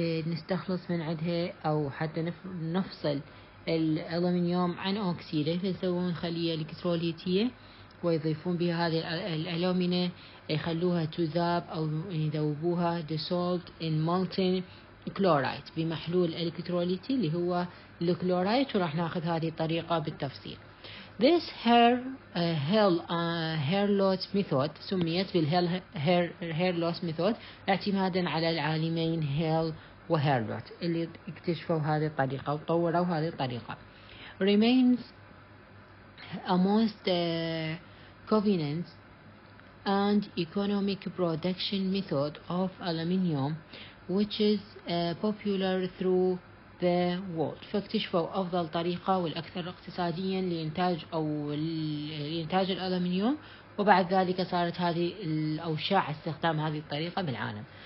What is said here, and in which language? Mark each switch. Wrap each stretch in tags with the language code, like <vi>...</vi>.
<ar>نستخلص من عدها، أو حتى نفصل الألومنيوم عن أكسيده، فنسوون خلية الكتروليتية ويضيفون بها هذه الألومينة، يخلوها تذاب أو يذوبوها</ar> <en>dissolved in molten chloride</en> <ar>بمحلول الكتروليتي اللي هو الكلورايت، وراح ناخذ هذه الطريقة بالتفصيل.</ar> <en>This Hair-Loss Method</en> <ar>سميت بالHair-Loss Method اعتمادا على العالمين Hair و Hair-Loss اللي اكتشفوا هذه الطريقة وطوروا هذه الطريقة.</ar> <en>Remains a most convenient and economic production method of aluminium which is popular through the world.</en> <ar>فاكتشفوا أفضل طريقة والأكثر اقتصاديا لإنتاج أو لإنتاج الألمنيوم، وبعد ذلك صارت هذه أو شاع استخدام هذه الطريقة بالعالم.</ar>